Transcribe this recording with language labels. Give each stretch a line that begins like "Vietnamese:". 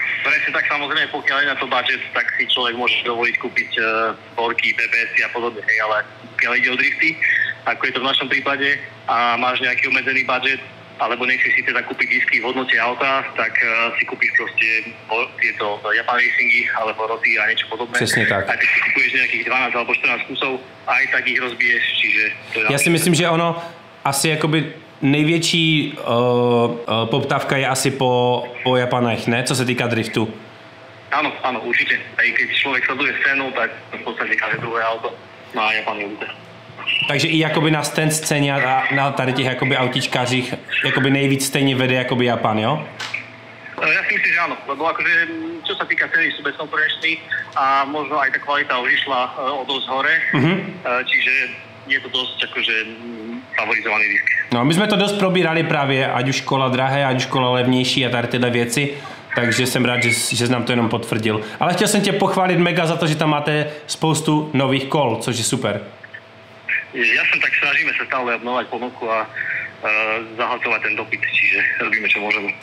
Czech: Přesně tak, samozřejmě, pokud je na to budget, tak si člověk může dovolit koupit Worky, BBS a podobně, hej, ale pokud jde o drifty, jako je to v našem případě a máš nějaký omezený budget,
Slovak: alebo nechceš si teda kúpiť disky v hodnote auta, tak si kúpiš proste tieto Japan Racingy alebo Roty a niečo podobné. Presne tak. A keď si kúpuješ nejakých 12 alebo 14 kusov, aj tak ich rozbiješ, čiže...
Czech: To ja si myslím, že ono asi akoby největší poptávka je asi po Japanech, ne?
Slovak: Co sa týka driftu. Áno, áno, určite. Aj keď človek sleduje scénu, tak v podstate každé druhé auto má Japany ľudia.
Czech: Takže i jakoby na stand scéně a na tady těch jakoby autičkářích jakoby nejvíc stejně vede jakoby Japan, jo? Já si myslím, že ano, lebo jakože, co se týká ceny, jsou bezkonkurenční a
Slovak: možno aj ta kvalita už vyšla o dost hore, čiže
Czech: je to dost jakože favorizovaný disk. No, my jsme to dost probírali právě, ať už kola drahé, ať už kola levnější a tady tyhle věci, takže jsem rád, že jsi nám to jenom potvrdil. Ale chtěl jsem tě pochválit mega za to, že tam máte spoustu nových kol, což je super.
Slovak: Ja som tak snažíme sa stále obnovať ponuku a zahacovať ten dopyt, čiže robíme čo môžeme.